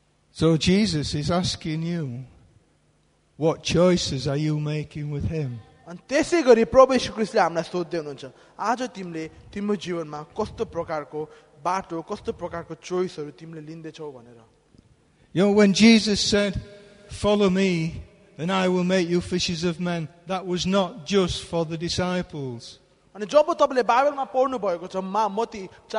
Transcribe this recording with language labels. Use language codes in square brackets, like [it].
[en] So Jesus is asking you what choices are you making with him? [ne] अनि त्यसै गरी प्रभु यीशु ख्रीष्टले हामीलाई सोध्दै हुनुहुन्छ आज तिमीले तिम्रो जीवनमा कस्तो प्रकारको बाटो कस्तो प्रकारको चोइसहरू तिमीले लिँदैछौ भनेर [en] You know, when Jesus said, follow me, and I will make you fishers of men, that was not just for the disciples. And when you read the Bible, you said,